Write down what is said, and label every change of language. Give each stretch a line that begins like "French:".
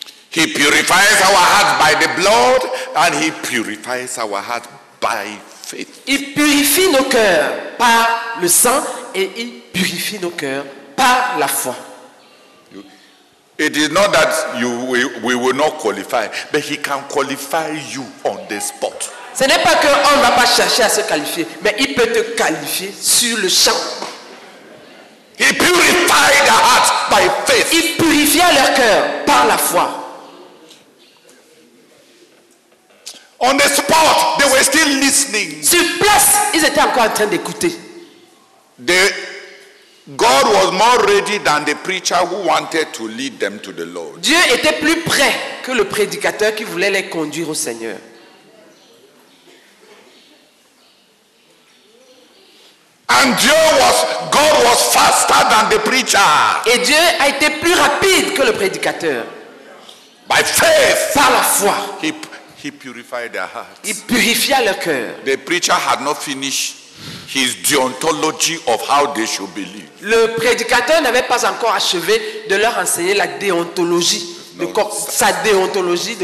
English: He purifies our hearts by the blood and he purifies our hearts by faith.
French: Il purifie nos cœurs par le sang et il purifie nos cœurs par la foi.
English: It is not that we will not qualify, but he can qualify you on the spot.
French: Ce n'est pas qu'on ne va pas chercher à se qualifier, mais il peut te qualifier sur le champ.
English: He purified their hearts by faith.
French: Ils purifièrent leur cœur par la foi.
English: On the spot, they were still listening.
French: Sur place, ils étaient encore en train d'écouter.
English: God was more ready than the preacher who wanted to lead them to the Lord.
French: Dieu était plus prêt que le prédicateur qui voulait les conduire au Seigneur.
English: And God was faster than the preacher.
French: Et Dieu a été plus rapide que le prédicateur.
English: By faith,
French: par la foi,
English: he purified their hearts.
French: Il purifia leur cœur.
English: The preacher had not finished his deontology of how they should believe.
French: Le prédicateur n'avait pas encore achevé de leur enseigner la déontologie, sa déontologie de